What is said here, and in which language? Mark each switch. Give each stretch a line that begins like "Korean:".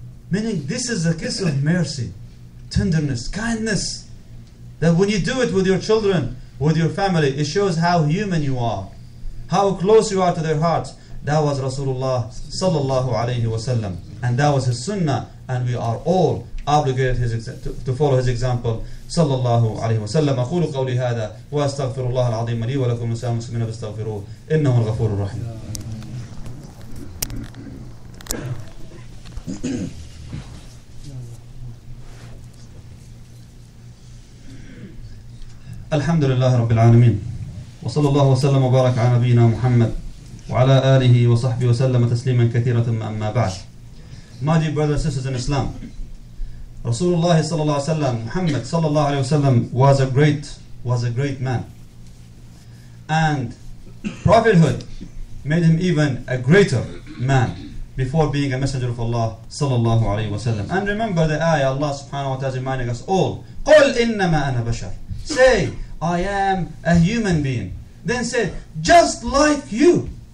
English: Meaning, this is a kiss of mercy, tenderness, kindness. That when you do it with your children, with your family, it shows how human you are, how close you are to their hearts. That was Rasulullah sallallahu alayhi wa sallam. And that was his sunnah. And we are all obligated to follow his example.
Arabic: صلى الله عليه وسلم أقول قولي هذا وأستغفر الله العظيم لي ولكم ونساء المسلمين فاستغفروه إنه الغفور الرحيم الحمد لله رب العالمين وصلى الله وسلم وبارك على نبينا محمد وعلى آله وصحبه وسلم تسليما كثيرا ثم أما بعد
English: My dear brothers and sisters in Islam, Rasulullah sallallahu alayhi wa sallam, Muhammad sallallahu alayhi wa sallam was a great man. And prophethood made him even a greater man before being a messenger of Allah sallallahu alayhi wa sallam. And remember the ayah, Allah subhanahu wa ta'ala reminding us all,
Arabic: قُلْ إِنَّمَا أَنَا بَشَرٌ.
English: Say, I am a human being. Then say, just like you.